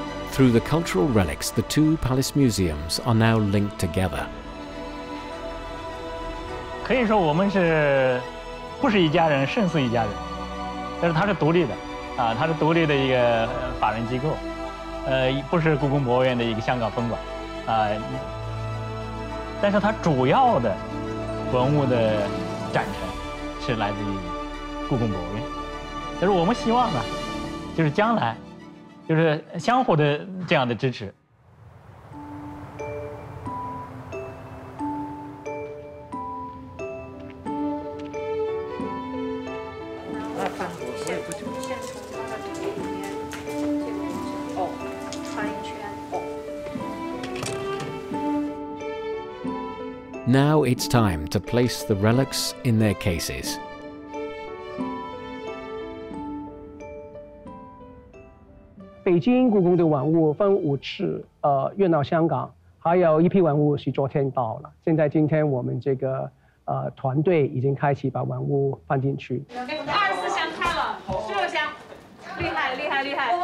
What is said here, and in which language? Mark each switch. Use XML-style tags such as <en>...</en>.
<en>Through the cultural relics, the two palace museums are now linked together.</en> <zh>可以说我们是不是一家人，胜似一家人。但是它是独立的，啊，它是独立的一个法人机构，不是故宫博物院的一个香港分馆，啊，但是它主要的文物的展陈是来自于故宫博物院。但是我们希望呢，就是将来，就是相互的这样的支持。</zh> <en>Now it's time to place the relics in their cases.</en> <zh>北京故宫的文物分五次运到香港，还有一批文物是昨天到了。现在今天我们这个团队已经开始把文物放进去。 24箱开了，16箱，厉害厉害厉害！</zh>